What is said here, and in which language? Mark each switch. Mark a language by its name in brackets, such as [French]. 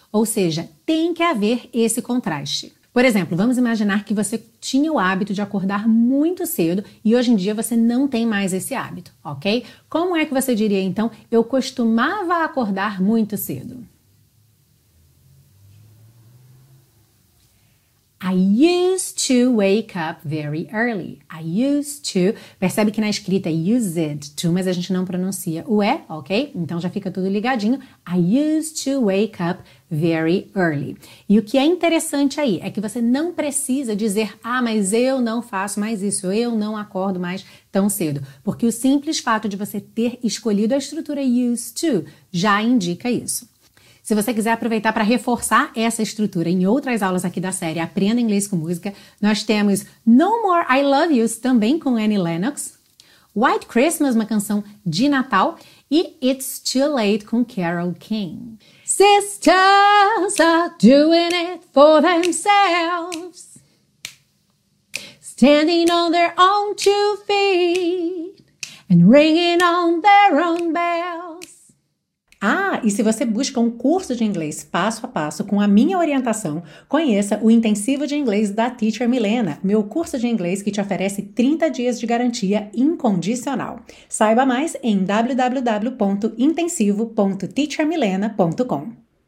[Portuguese] Ou seja, tem que haver esse contraste. Por exemplo, vamos imaginar que você tinha o hábito de acordar muito cedo e hoje em dia você não tem mais esse hábito, ok? Como é que você diria então, eu costumava acordar muito cedo? [English] I used to wake up very early. I used to. [Portuguese] Percebe que na escrita é used to, mas a gente não pronuncia o E, ok? Então já fica tudo ligadinho. [English] I used to wake up very early. [Portuguese] E o que é interessante aí é que você não precisa dizer, ah, mas eu não faço mais isso, eu não acordo mais tão cedo. Porque o simples fato de você ter escolhido a estrutura used to já indica isso. Se você quiser aproveitar para reforçar essa estrutura em outras aulas aqui da série Aprenda Inglês com Música, nós temos No More I Love Yous, também com Annie Lennox, White Christmas, uma canção de Natal, e It's Too Late, com Carole King. [English] Sisters are doing it for themselves, standing on their own two feet and ringing on their own bell. [Portuguese] Ah, e se você busca um curso de inglês passo a passo com a minha orientação, conheça o Intensivo de Inglês da Teacher Milena, meu curso de inglês que te oferece 30 dias de garantia incondicional. Saiba mais em www.intensivo.teachermilena.com.